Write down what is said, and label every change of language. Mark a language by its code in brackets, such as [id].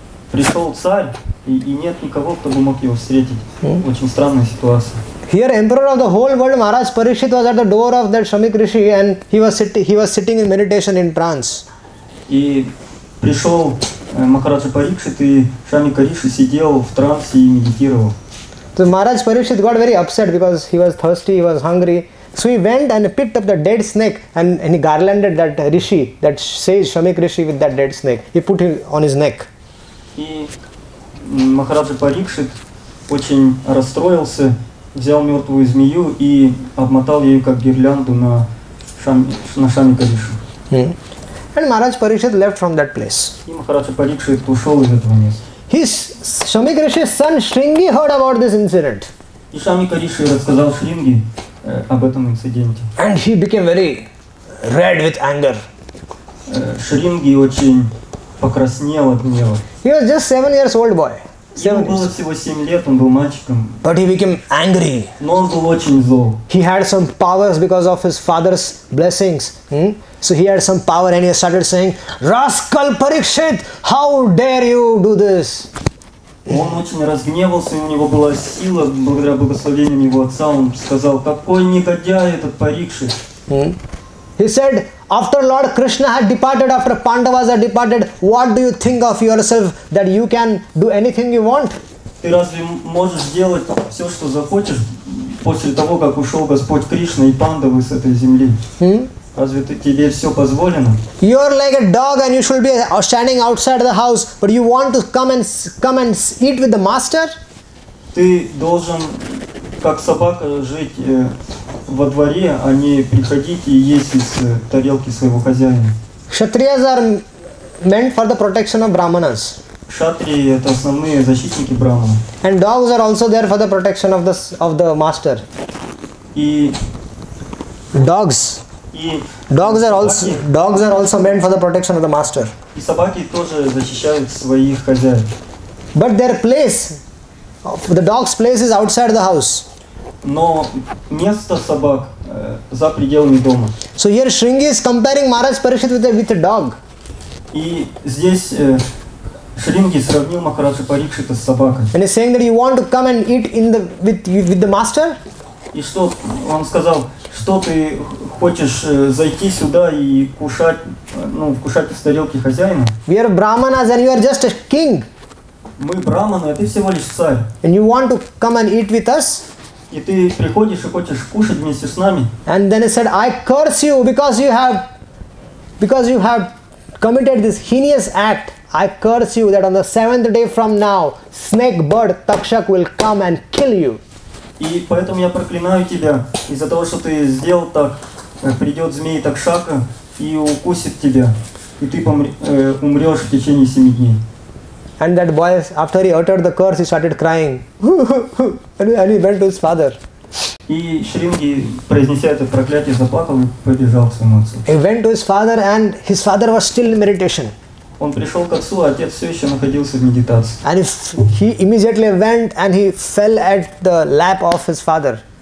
[ru] Пришел царь, и нет никого, кто бы мог его встретить. Очень странная ситуация. [en] Here, emperor of the whole world, Maharaj Parikshit was at the door of that Shamik Rishi, and he was sitting in meditation in trance. [ru] И пришел Махараджа Парикшит, и Шамик Риши сидел в трансе и медитировал. [en] So Maharaj Parikshit got very upset because he was thirsty, he was hungry. So he went and picked up the dead snake and he garlanded that Rishi, that sage Shamik Rishi, with that dead snake. He put it on his neck. [ru] И Махараджа Парикшит очень расстроился. Взял мертвую змею и обмотал ее как гирлянду на Шамик Ришу. [en] And Maharaj Parikshit left from that place. [ru] И Махараджа Парикшит ушел из этого места. [en] His Шамик Риши's son Шринги heard about this incident. [ru] И Шамик Риши рассказал Шринги об этом инциденте. [en] And he became very red with anger. [ru] Шринги очень покраснел от гнева. [en] He was just 7 years old boy. [ru] Ему было всего 7 лет, он был мальчиком. [en] But he became angry. [ru] Но он был очень зол. [en] He had some powers because of his father's blessings. So he had some power and he started saying, Rascal Parikshit, how dare you do this? [ru] Он очень разгневался, и у него была сила, благодаря благословениям его отца, он сказал, какой негодяй этот Парикшит. [en] He said, after Lord Krishna had departed, after Pandavas had departed, what do you think of yourself that you can do anything you want? [ru] Ты разве можешь сделать все, что захочешь после того, как ушел Господь Кришна и Пандавы с этой земли? Разве тебе все позволено? [en] You are like a dog, and you should be standing outside the house, but you want to come and eat with the master? [ru] Ты должен как собака жить во дворе, а не приходить и есть из тарелки своего хозяина. [en] Kshatriyas are meant for the protection of brahmanas. [ru] Кшатрии – это основные защитники брахмана. [en] And dogs are also there for the protection of the master. [ru] И [en] dogs. [ru] И [en] dogs are also [ru] собаки. [en] Dogs are also meant for the protection of the master. [ru] И собаки тоже защищают своих хозяев. [en] But their place, the dog's place is outside the house. [ru] Но место собак за пределами дома. [en] So here Shringi is comparing Maharaj Parikshit with a dog. [ru] И здесь Шринги сравнил Махараджа Парикшита с собакой. [en] And he's saying that you want to come and eat with the master? [ru] И что он сказал, что ты хочешь зайти сюда и кушать из тарелки хозяина? [en] We are brahmanas and you are just a king. [ru] Мы брахманы, а ты всего лишь царь. [en] And you want to come and eat with us? [ru] И ты приходишь и хочешь кушать вместе с нами. [en] And then he said, I curse you because you have committed this heinous act. I curse you that on the seventh day from now, snake bird Takshak will come and kill you. [ru] И поэтому я проклинаю тебя из-за того, что ты сделал так. Придет змей Такшака и укусит тебя. И ты умрешь в течение 7 дней. [en] And that boy, after he uttered the curse, he started crying. and he went to his father. [ru] И Шринги, произнеся это проклятие, заплакал и побежал к своему отцу. [en] He went to his father, and his father was still in meditation. [ru] Он пришел к отцу, а отец все еще находился в медитации. [en] And he immediately went and he fell at the lap of his father.